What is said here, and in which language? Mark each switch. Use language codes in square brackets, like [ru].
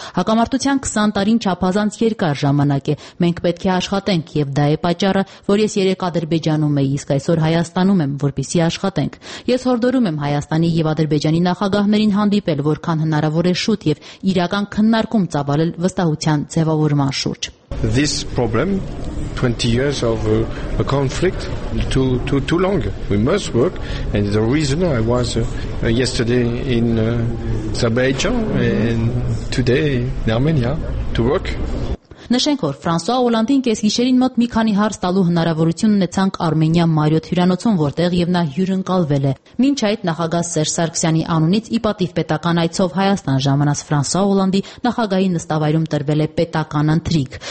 [hy] Հակամարտության 20 տարին չափազանց երկար ժամանակ է։ Մենք պետք է աշխատենք եւ դա է պատճառը, որ ես երեկ Ադրբեջանում եի, իսկ այսօր Հայաստանում եմ, որպեսզի աշխատենք։ Ես հորդորում եմ Հայաստանի եւ Ադրբեջանի նախագահներին հանդիպել, որքան հնարավոր է շուտ և իրական քննարկում ծավալել վստահության ձևավորման շուրջ։ [en] This problem, 20 years of a conflict, too long. We must work, and the reason I was yesterday in Azerbaijan and today in Armenia to work. [hy] Նշենք, որ Ֆրանսուա Օլանդին կեսգիշերին մոտ մի քանի հարց տալու հնարավորություն ունեցանք Արմենիա Մարիոթ հյուրանոցում, որտեղ եւ նա հյուրընկալվել է։ Մինչ այդ նախագահ Սերժ Սարգսյանի անունից ի պատիվ պետական այցով Հայաստան ժամանած Ֆրանսուա Օլանդի նախագահի նստավայրում տրվել է պետական ընթրիք։